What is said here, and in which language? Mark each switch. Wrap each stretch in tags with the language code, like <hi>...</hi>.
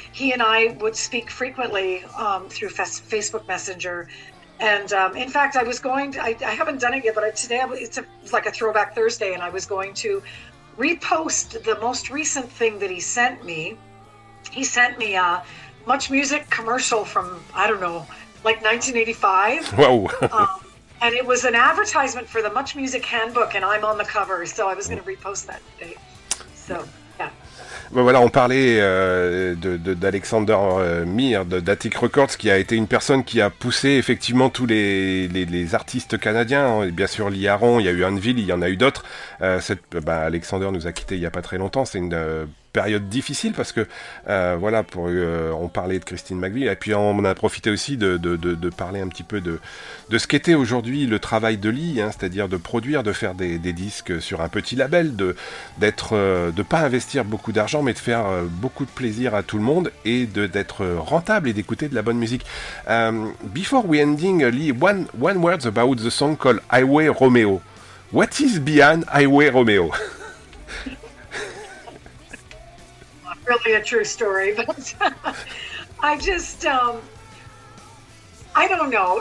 <en>He and I would speak frequently through Facebook Messenger, and in fact I was going to, I haven't done it yet, but today it's like a throwback Thursday, and I was going to repost the most recent thing that he sent me. He sent me a Much Music commercial from, I don't know, like 1985. Whoa. And it was an advertisement for the Much Music Handbook, and I'm on the cover, so I was going to repost that today. So, yeah.</en> <fr>Ben voilà, on parlait d'Alexander Mir, d'Attic Records, qui a été une personne qui a poussé effectivement tous les artistes canadiens. Bien sûr, Lee Aron, il y a eu Anvil, il y en a eu d'autres. Alexander nous a quittés il n'y a pas très longtemps, c'est une période difficile parce que on parlait de Christine McVie, et puis on a profité aussi de parler un petit peu de ce qu'était aujourd'hui le travail de Lee, hein, c'est-à-dire de produire, de faire des disques sur un petit label, de pas investir beaucoup d'argent, mais de faire beaucoup de plaisir à tout le monde et d'être rentable et d'écouter de la bonne musique.</fr> <en>Before we ending, Lee, one word about the song called Highway Romeo. What is behind Highway Romeo? Really a true story, but I just I don't know.</en>